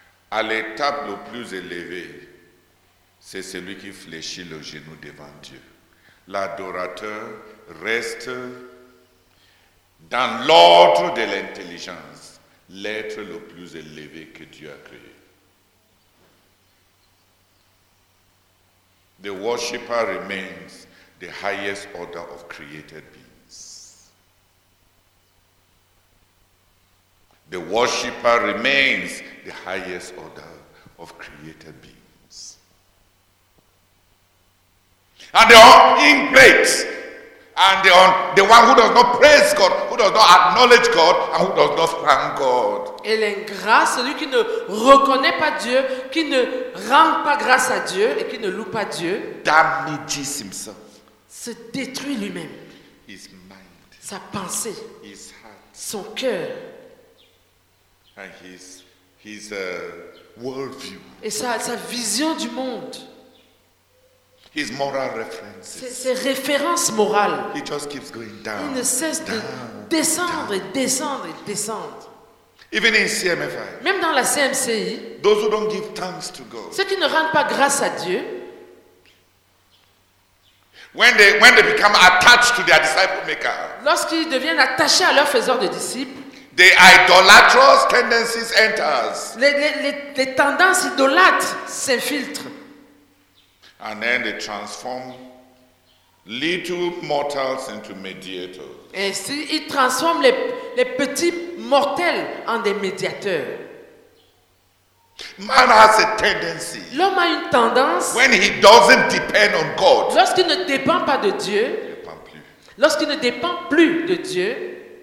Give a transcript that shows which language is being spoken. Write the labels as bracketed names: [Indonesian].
[French] À l'étape le plus élevé, c'est celui qui fléchit le genou devant Dieu. L'adorateur reste dans l'ordre de l'intelligence, l'être le plus élevé que Dieu a créé. [English] The worshipper remains the highest order of created beings. The worshipper remains the highest order of created beings. And they are ingrates. And the one who does not praise God, who does not acknowledge God, and who does not thank God. [French] Et l'ingrat, celui qui ne reconnaît pas Dieu, qui ne rend pas grâce à Dieu et qui ne loue pas Dieu. [English] Damnifies himself. [French] Se détruit lui-même. [English] His mind. [French] Sa pensée. [English] His heart. [French] Son cœur. [English] And his worldview. [French] Et sa vision du monde. [English] His moral references. [French] Ses références morales. [English] He just keeps going down. [French] Il ne cesse [English] down, [French] de descendre [English] down, [French] et descendre et descendre. [English] Even in CMFI. [French] Même dans la CMCI. [English] Those who don't give thanks to God. [French] Ceux qui ne rendent pas grâce à Dieu. [English] When they become attached to their disciple maker. [French] Lorsqu'ils deviennent attachés à leur faiseur de disciples. [English] The idolatrous tendencies enters. [French] Les tendances idolâtres s'infiltrent. [English] And then they transform little mortals into mediators. [French] Et si ils transforment les petits mortels en des médiateurs. [English] Man has a tendency. [French] L'homme a une tendance. [English] When he doesn't depend on God. [French] Lorsqu'il ne dépend pas de Dieu. Lorsqu'il ne dépend plus de Dieu.